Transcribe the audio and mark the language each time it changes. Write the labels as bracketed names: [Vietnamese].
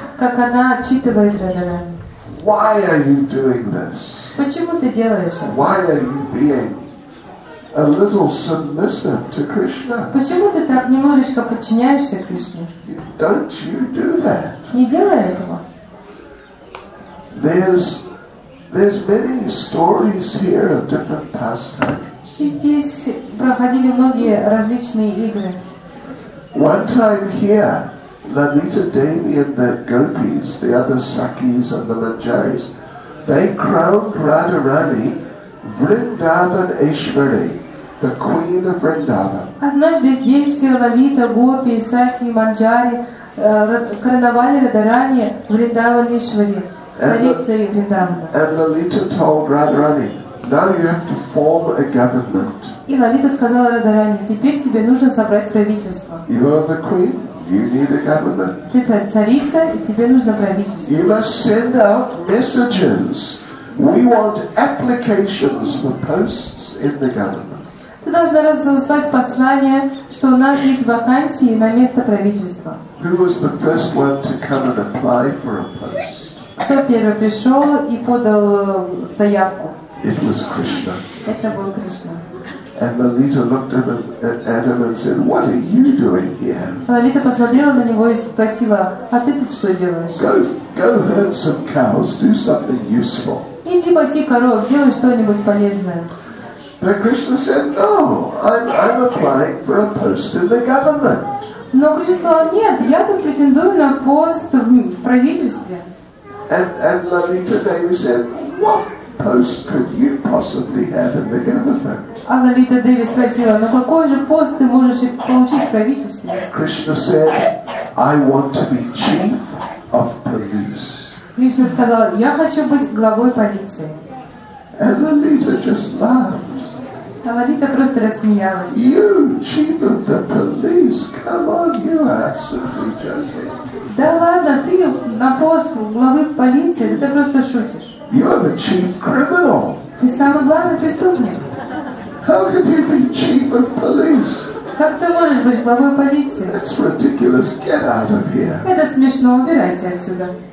[Russian] Как она отчитывает Радхарани. [English] Why are you doing this? [Russian] Почему ты делаешь это? [English] Why are you being a little submissive to Krishna? [Russian] Почему ты так немножечко подчиняешься Кришне? [English] Don't you do that? [Russian] Не делай этого. [English] there's many stories here of different pastimes. One time here, Lalita Devi and the gopis, the other Sakis and the Lanjaris, they crowned Radharani Vrindavan Eshwari, the queen of Vrindavan. [Russian] Однажды здесь Лалита, Гопи, Саки, Манджари короновали Радарани Вриндаванишвари, царицей Вриндавана. [English] And Lalita told Radharani, now you have to form a government. [Russian] И Лалита сказала Радарани, теперь тебе нужно собрать правительство. [English] You are the queen, you need a government. [Russian] Ты царица, и тебе нужно правительство. [English] You must send out messages. We want applications for posts in the government. [Russian] Ты должна разослать послание, что у нас есть вакансии на место правительства. [English] Who was the first one to come and apply for a post? [Russian] Кто первый пришел и подал заявку? [English] It was Krishna. [Russian] Это был Кришна. [English] And Lalita looked at him and said, "What are you doing here?" [Russian] Лалита посмотрела на него и спросила, "А ты тут что делаешь?" [English] Go herd some cows. Do something useful. [Russian] Иди паси коров, делай что-нибудь полезное. [English] But Krishna said, "No, I'm applying for a post in the government." [Russian] Но Кришна сказал, "Нет, я тут претендую на пост в правительстве." [English] And Lalita Devi said, "What post could you possibly have in the government?" [Russian] А Лалита Деви спросила, "Ну какой же пост ты можешь получить в правительстве?" [English] Krishna said, "I want to be chief of police." [Russian] Кришна сказал, "Я хочу быть главой полиции." [English] And Lalita just laughed. [Russian] А Лалита просто рассмеялась. [English] You, chief of the police, come on, you are simply joking. [Russian] Да ладно, ты на пост главы полиции, ты просто шутишь. [English] You are the chief criminal. [Russian] Ты самый главный преступник. [English] How can you be chief of police? [Russian] Как ты можешь быть главой полиции? [English] That's ridiculous. Get out of here. [Russian] Это смешно, убирайся отсюда.